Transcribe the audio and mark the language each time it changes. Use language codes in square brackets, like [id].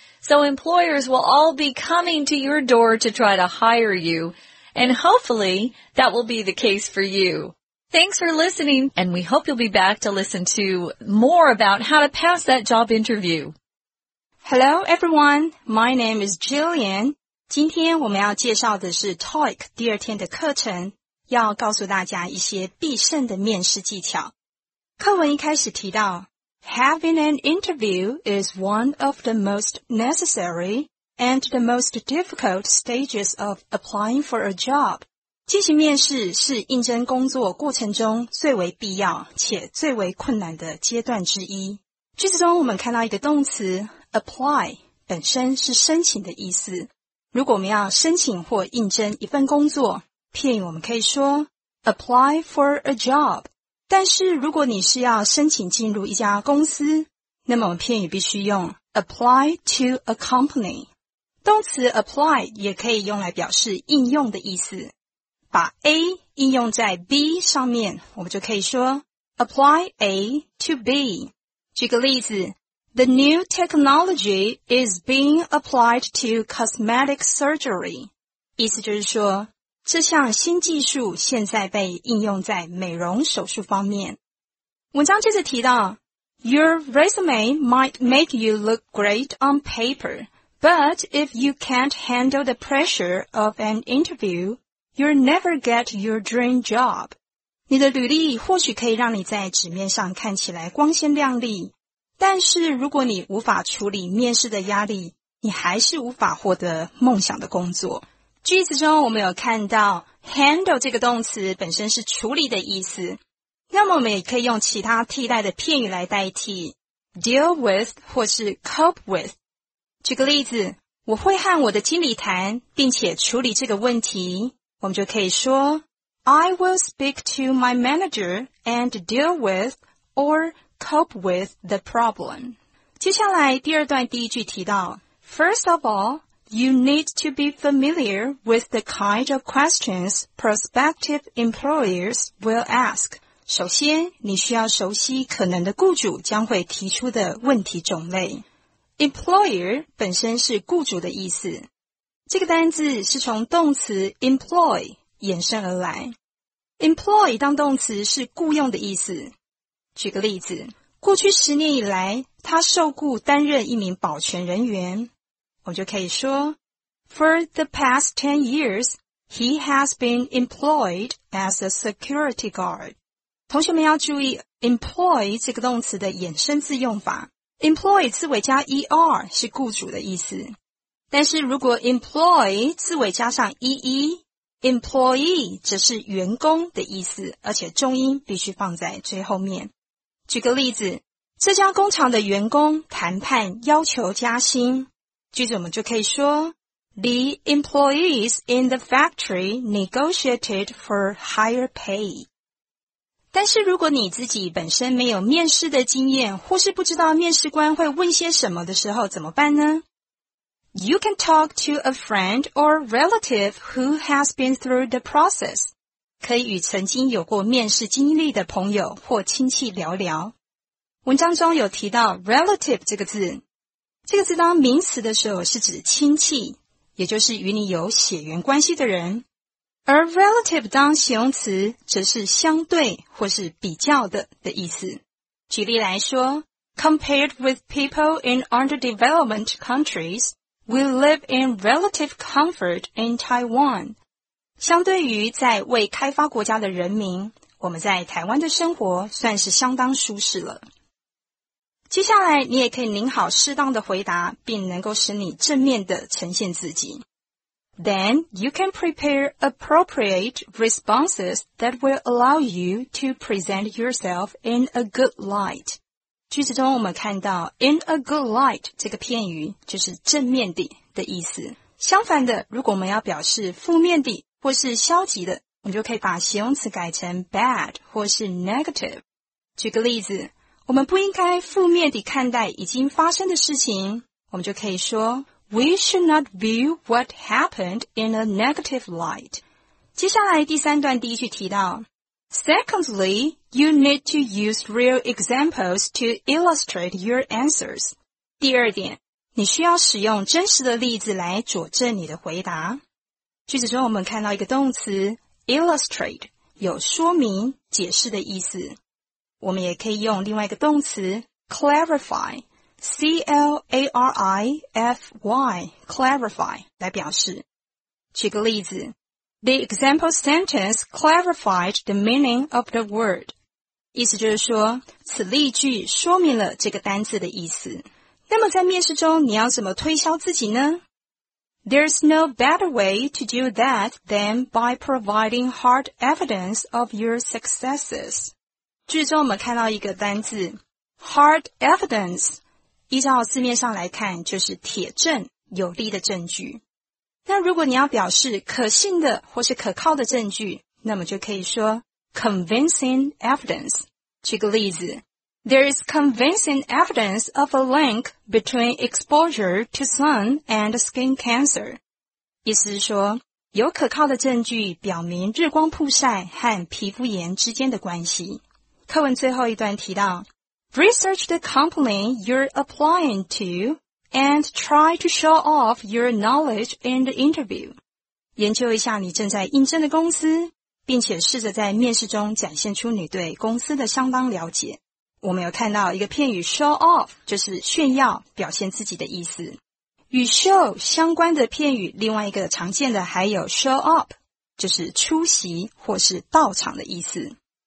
[en] So employers will all be coming to your door to try to hire you, and hopefully that will be the case for you. Thanks for listening, and we hope you'll be back to listen to more about how to pass that job interview. Hello, everyone. My name is Jillian. [zh] 今天我们要介绍的是 TOEIC 第二天的课程，要告诉大家一些必胜的面试技巧。课文一开始提到 [en] Having an interview is one of the most necessary and the most difficult stages of applying for a job. [zh] 进行面试是应征工作过程中最为必要且最为困难的阶段之一。句子中我们看到一个动词 apply 本身是申请的意思。如果我们要申请或应征一份工作，片语我们可以说 apply for a job。但是如果你是要申请进入一家公司，那么我们片语必须用 apply to a company。动词 apply 也可以用来表示应用的意思。把 A 应用在 B 上面，我们就可以说 apply A to B。举个例子 [en] ,The new technology is being applied to cosmetic surgery。 [zh] 意思就是说这项新技术现在被应用在美容手术方面。文章接着提到 [en] Your resume might make you look great on paper, but if you can't handle the pressure of an interview, you'll never get your dream job. [zh] 你的履历或许可以让你在纸面上看起来光鲜亮丽，但是如果你无法处理面试的压力，你还是无法获得梦想的工作。句子中我们有看到 handle 这个动词本身是处理的意思，那么我们也可以用其他替代的片语来代替 deal with 或是 cope with。举个例子，我会和我的经理谈并且处理这个问题，我们就可以说 [en] I will speak to my manager and deal with or cope with the problem。 [zh] 接下来第二段第一句提到 [en] First of allYou need to be familiar with the kind of questions prospective employers will ask. [zh] 首先，你需要熟悉可能的雇主将会提出的问题种类。 Employer 本身是雇主的意思。这个单字是从动词 employ 衍生而来。 Employ 当动词是雇用的意思。举个例子，过去十年以来，他受雇担任一名保全人员。我就可以说 [en] For the past 10 years, He has been employed as a security guard. [zh] 同学们要注意 employ 这个动词的衍生字用法。 Employ 字尾加 er 是雇主的意思。但是如果 employ 字尾加上 ee, employee 则是员工的意思，而且重音必须放在最后面。举个例子，这家工厂的员工谈判要求加薪。句子我们就可以说 [en] The employees in the factory negotiated for higher pay. [zh] 但是如果你自己本身没有面试的经验，或是不知道面试官会问些什么的时候怎么办呢？ [en] You can talk to a friend or relative who has been through the process. [zh] 可以与曾经有过面试经历的朋友或亲戚聊聊。文章中有提到 relative 这个字。这个字当名词的时候是指亲戚，也就是与你有血缘关系的人。而 relative 当形容词则是相对或是比较的意思。举例来说， [en] Compared with people in underdeveloped countries,We live in relative comfort in Taiwan. [zh] 相对于在未开发国家的人民，我们在台湾的生活算是相当舒适了。接下来你也可以拟好适当的回答，并能够使你正面的呈现自己。 [en] Then you can prepare appropriate responses that will allow you to present yourself in a good light. [zh] 句子中我们看到 in a good light 这个片语就是正面的意思。相反的，如果我们要表示负面的或是消极的，我们就可以把形容词改成 bad 或是 negative。举个例子，我们不应该负面的看待已经发生的事情，我们就可以说 [en] We should not view what happened in a negative light。 [zh] 接下来第三段第一句提到 [en] Secondly, you need to use real examples to illustrate your answers. [zh] 第二点，你需要使用真实的例子来佐证你的回答。句子中我们看到一个动词 illustrate, 有说明、解释的意思。我们也可以用另外一个动词 clarify, C-L-A-R-I-F-Y, clarify, 来表示。举个例子。 [en] The example sentence clarified the meaning of the word. [zh] 意思就是说，此例句说明了这个单字的意思。那么在面试中，你要怎么推销自己呢？ [en] There's no better way to do that than by providing hard evidence of your successes. [zh] 句中我们看到一个单字 ,hard evidence, 依照字面上来看就是铁证，有力的证据。那如果你要表示可信的或是可靠的证据，那么就可以说 convincing evidence。举个例子 [en] ,There is convincing evidence of a link between exposure to sun and skin cancer。 [zh] 意思是说，有可靠的证据表明日光曝晒和皮肤炎之间的关系。课文最后一段提到 [en] ,Research the company you're applying to,And try to show off your knowledge in the interview. [zh] 研究一下你正在应征的公司，并且试着在面试中展现出你对公司的相当了解。我们有看到一个片语 show off, 就是炫耀、表现自己的意思。与 show 相关的片语，另外一个常见的还有 show up, 就是出席或是到场的意思。